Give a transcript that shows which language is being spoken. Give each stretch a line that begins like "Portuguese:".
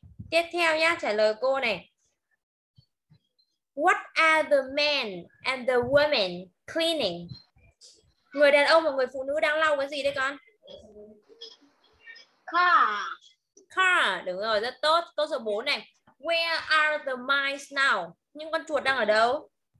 Vietnamese: Tiếp theo nhá, trả lời cô này.
English: What are the men and the women cleaning?
Vietnamese: Người đàn ông và người phụ nữ đang lau cái gì đấy con?
English: Car.
Vietnamese: Car. Đúng rồi, rất tốt. Câu số 4 này.
English: Where are the mice now?
Vietnamese: Những con chuột đang ở đâu?